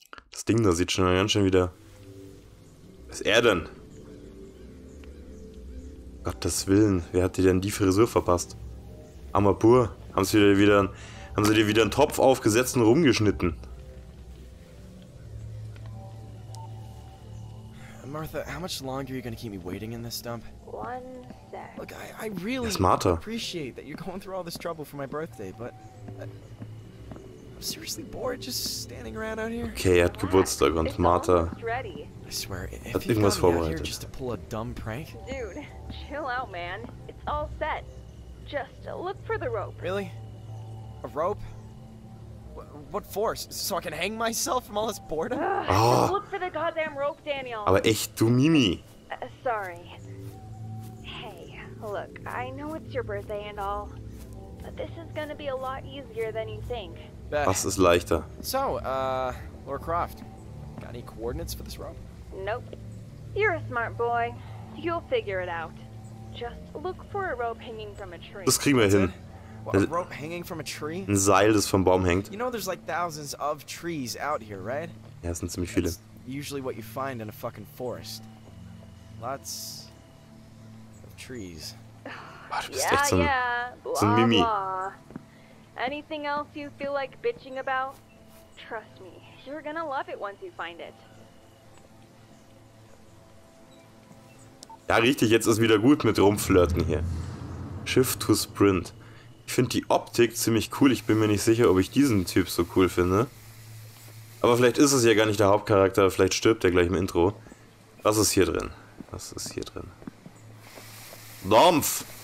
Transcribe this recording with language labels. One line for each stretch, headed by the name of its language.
German: Das Ding da sieht schon ganz schön wieder. Was ist er denn? Gottes Willen, wer hat dir denn die Frisur verpasst? Amapur, haben sie dir wieder einen Topf aufgesetzt und rumgeschnitten?
English: Martha, how much longer are you gonna keep me waiting in this dump? One sec. Look, I really appreciate that you're going through all this trouble for my birthday, but I'm seriously bored just standing around out here.
German: Okay, er hat Geburtstag und Martha hat irgendwas vorbereitet.
English: Just to pull a dumb prank? Dude, chill out, man. It's all set. Just look for the rope. Really? A rope? What for? So I can hang myself from all this boredom? Oh. Look for the goddamn rope, Daniel.
German: Aber echt, du Mimi.
English: Sorry. Hey, look, I know it's your birthday and all, but this is gonna be a lot easier than you think.
German: Was ist leichter?
English: So, Lara Croft, got any coordinates for this rope? Nope. You're a smart boy. You'll figure it out. Just look for a rope hanging from a tree.
German: Das kriegen wir hin.
English: What, a rope hanging from a tree?
German: Ein Seil, das vom Baum hängt.
English: You know there's like thousands of trees out here, right?
German: Ja, es sind ziemlich viele.
English: That's usually what you find in a fucking forest. Lots of trees.
German: Boah, du bist
English: yeah,
German: echt so ein,
English: yeah.
German: So ein Mimi.
English: Anything else you feel like bitching about? Trust me, you're gonna love it once you find it.
German: Ja, richtig, jetzt ist wieder gut mit rumflirten hier.
English: Shift to sprint.
German: Ich finde die Optik ziemlich cool. Ich bin mir nicht sicher, ob ich diesen Typ so cool finde. Aber vielleicht ist es ja gar nicht der Hauptcharakter. Vielleicht stirbt er gleich im Intro. Was ist hier drin? Was ist hier drin? Dampf!